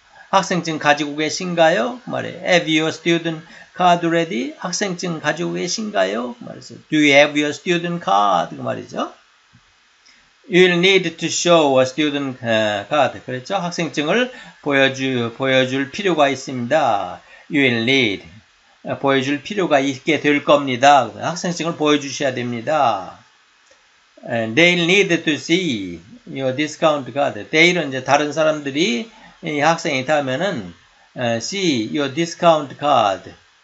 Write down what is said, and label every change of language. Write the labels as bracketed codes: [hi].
[ko] 학생증 가지고 계신가요? 그 말이에요. [en] Have your student card ready? [ko] 학생증 가지고 계신가요? 그 말이죠. [en] Do you have your student card? 그 말이죠. You will need to show a student card. [ko] 그랬죠? 학생증을 보여줄 필요가 있습니다. [en] You will need. [ko] 보여줄 필요가 있게 될 겁니다. 학생증을 보여주셔야 됩니다. [en] They'll need to see your discount card. They'll [ko] 이제 다른 사람들이 이 학생이 타면은 [en] see your discount card.